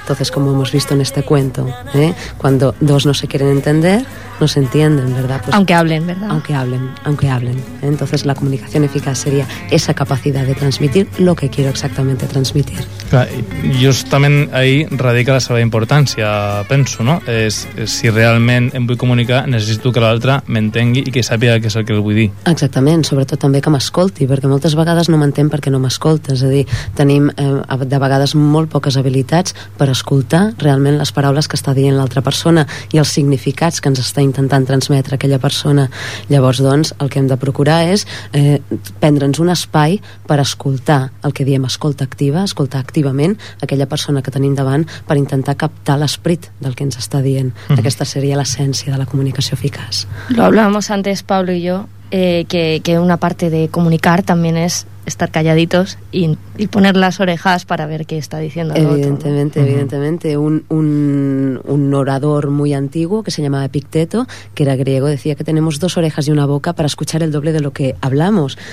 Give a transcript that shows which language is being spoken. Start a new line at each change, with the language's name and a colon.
Spanish: Entonces, como hemos visto en este cuento, cuando dos no se quieren entender, no se entienden, ¿verdad? Pues, aunque hablen, ¿verdad? Aunque hablen. Entonces, la comunicación eficaz sería esa capacidad de transmitir lo que quiero exactamente transmitir.
Catalan: Claro, justament
Spanish: ahí radica
Catalan: la seva importància, penso, ¿no? Es si realment em vull comunicar, necessito que l'altre m'entengui i que sàpiga què és el que el vull dir. Exactament, sobretot també que m'escolti, perquè moltes vegades no m'entén perquè no m'escolta. És a dir, tenim de vegades molt poques habilitats per escoltar realment les paraules que està dient l'altra persona i els significats que ens està intentant transmetre aquella persona. Llavors, doncs, el que hem de procurar és prendre'ns un espai per escoltar el que diem escolta activa, escoltar activament aquella persona que tenim davant per intentar captar l'esperit del que ens està dient. Aquesta seria l'essència de la comunicació eficaç.
Spanish: Lo hablábamos antes, Pablo y yo, que una parte de comunicar también es estar calladitos y poner las orejas para ver qué está diciendo el evidentemente, otro, ¿no? Evidentemente, un orador muy antiguo que se llamaba Epicteto, que era griego, decía que tenemos dos orejas y una boca para escuchar el doble de lo que hablamos.